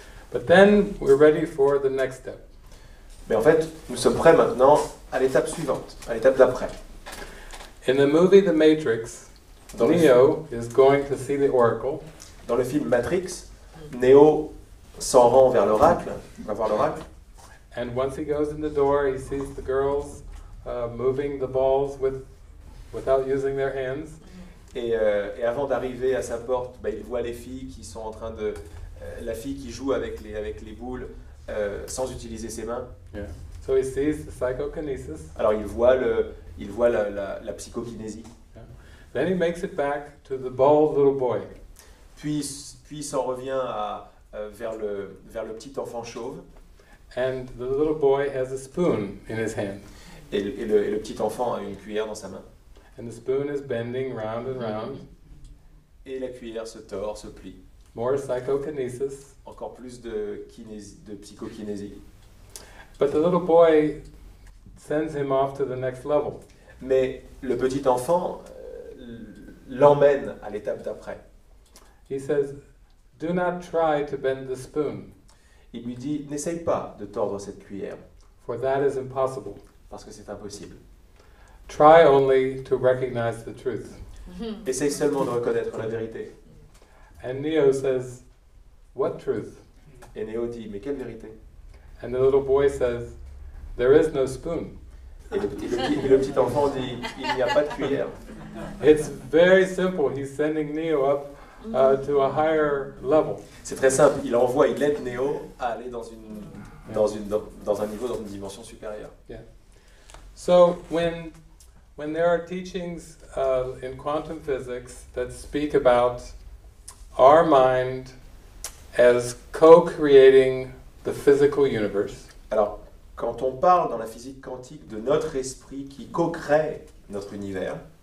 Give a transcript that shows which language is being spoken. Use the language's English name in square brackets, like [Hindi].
[English] But then we're ready for the next step. [French] Mais en fait, nous sommes prêts maintenant à l'étape suivante, à l'étape d'après. [English] In the movie The Matrix, Neo is going to see the Oracle. [French] Dans le film Matrix, Neo s'en rend vers l'oracle, va voir l'oracle. [English] And once he goes in the door, he sees the girls moving the balls without using their hands. [French] Et avant d'arriver à sa porte, il voit les filles qui sont en train de la fille qui joue avec les boules sans utiliser ses mains. [English] Yeah. So he sees the psychokinesis. [French] Alors il voit la psychokinésie. [English] Then he makes it back to the bald little boy. [French] Puis il s'en revient vers le petit enfant chauve. [English] And the little boy has a spoon in his hand. [French] Et le petit enfant a une cuillère dans sa main. [English] And the spoon is bending round and round. [French] Et la cuillère se tord, se plie. [English] More psychokinesis. [French] Encore plus de psychokinésie. [English] But the little boy sends him off to the next level. [French] Mais le petit enfant l'emmène à l'étape d'après. [English] He says, "Do not try to bend the spoon." [French] Il lui dit, n'essaye pas de tordre cette cuillère. [English] For that is impossible. [French] Parce que c'est impossible. [English] Try only to recognize the truth. [French] Essaye seulement de reconnaître la vérité. [English] And Neo says, "What truth?" [French] Et Neo dit, mais quelle vérité? [English] And the little boy says, "There is no spoon." [French] Et le petit enfant dit, il n'y a pas de cuillère. [English] It's very simple. He's sending Neo up to a higher level. [French] C'est très simple. Il aide Neo à aller dans un dimension supérieure. [English] Yeah. So when there are teachings in quantum physics that speak about our mind as co-creating the physical universe. [French] Alors, quand on parle dans la physique quantique de notre esprit qui co-crée notre univers.